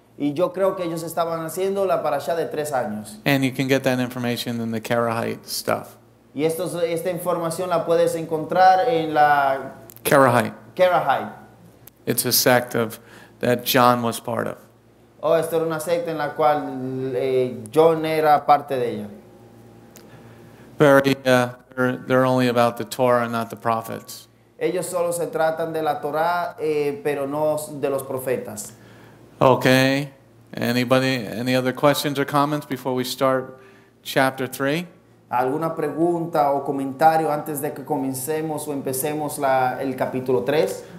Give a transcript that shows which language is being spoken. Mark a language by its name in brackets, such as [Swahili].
[Spanish] Y yo creo que ellos estaban haciendo la parashot de tres años. [English] And you can get that information in the Karahite stuff. [Spanish] Y esta información la puedes encontrar en la [English] Karahite. It's a sect of that John was part of. [Spanish] Oh, esto era una secta en la cual John era parte de ella. [English] They're only about the Torah, not the prophets. [Spanish] Ellos solo se tratan de la Torah, pero no de los profetas. [English] Okay. Any other questions or comments before we start chapter 3? [Spanish] ¿Alguna pregunta o comentario antes de que comencemos o empecemos el capítulo 3?